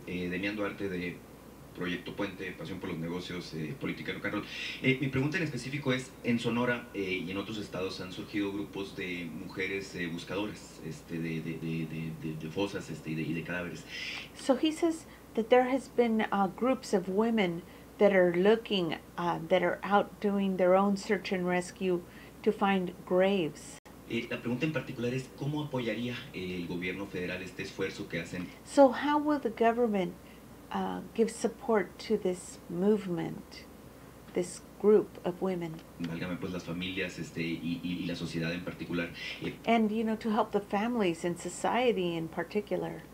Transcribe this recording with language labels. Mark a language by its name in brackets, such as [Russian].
[Spanish] Demián Duarte, de Proyecto Puente, Pasión por los Negocios, Política y Local. Mi pregunta en específico es, en Sonora y en otros estados han surgido grupos de mujeres buscadoras de fosas y de cadáveres. [English] So he says that there has been groups of women that are looking, that are out doing their own search and rescue to find graves. [Spanish] La pregunta en particular es, ¿cómo apoyaría el gobierno federal este esfuerzo que hacen? [English] So how will the government give support to this movement, this group of women? [Spanish] Válgame, pues, las familias y la sociedad en particular. [English] And, you know, to help the families and society in particular.